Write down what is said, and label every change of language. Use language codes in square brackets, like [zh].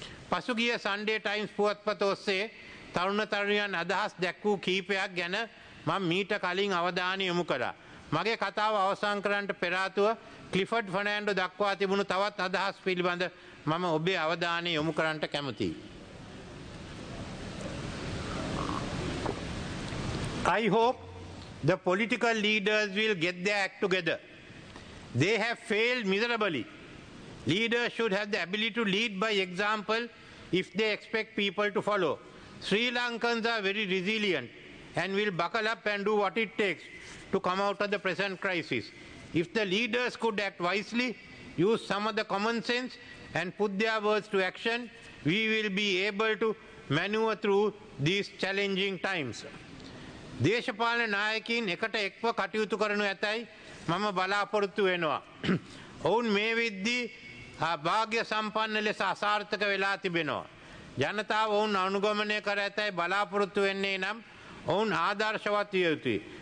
[si] පසුගිය සන්ඩේ ටයිම්ස් පුවත්පත ඔස්සේ තරුණ තරුණියන් අදහස් දැක්වූ කීපයක් ගැන මම මීට කලින් අවධානය යොමු කළා. මගේ කතාව අවසන් කරන්නට පෙරාතුව ක්ලිෆර්ඩ් ෆර්නෑන්ඩෝ දක්වා තිබුණු තවත් අදහස් පිළිබඳ මම ඔබේ අවධානය යොමු කරන්නට කැමතියි. [en] I hope the political leaders will get their act together. They have failed miserably. Leaders should have the ability to lead by example if they expect people to follow. Sri Lankans are very resilient. and will buckle up and do what it takes to come out of the present crisis. If the leaders could act wisely, use some of the common sense and put their words to action, we will be able to maneuver through these challenging times. [si] දේශපාලන නායකයින් එකට එක්ව කටයුතු කරනු ඇතැයි මම බලාපොරොත්තු වෙනවා. ඔවුන් මේ විද්දී වාග්ය සම්පන්න ලෙස අසාර්ථක වෙලා තිබෙනවා. ජනතාව ඔවුන් අනුගමනය කර ඇතැයි බලාපොරොත්තු වෙන්නේ නම් ඔවුන් ආදර්ශවත් විය යුතුයි.